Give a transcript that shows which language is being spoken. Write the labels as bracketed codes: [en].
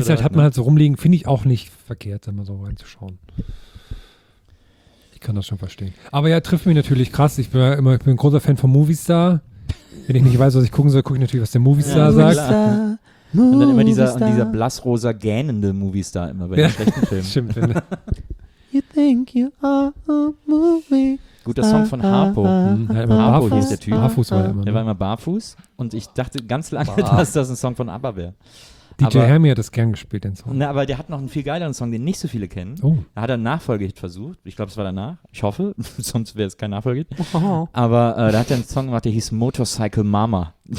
[de] Ist oder halt, hat man halt so rumliegen, finde ich auch nicht verkehrt, da mal so reinzuschauen. Ich kann das schon verstehen. Aber ja, trifft mich natürlich krass. Ich bin ja immer, ich bin ein großer Fan von Movistar. Wenn ich nicht weiß, was ich gucken soll, gucke ich natürlich, was der Movistar sagt. Movistar. Und dann immer dieser blassrosa, gähnende Movistar immer bei den schlechten Filmen. Stimmt, finde. [en] You think you are a movie. [de] Guter Song von Harpo. Harpo hieß der Typ. Barfuß war er immer. Der war immer barfuß. Und ich dachte ganz lange, dass das ein Song von ABBA wäre. DJ Hermi hat das gern gespielt, den Song. Na, aber der hat noch einen viel geileren Song, den nicht so viele kennen. Oh. Da hat er einen Nachfolgehit versucht. Ich glaube, es war danach. Ich hoffe, sonst wäre es kein Nachfolgehit. Aber da hat er einen Song gemacht, der hieß Motorcycle Mama.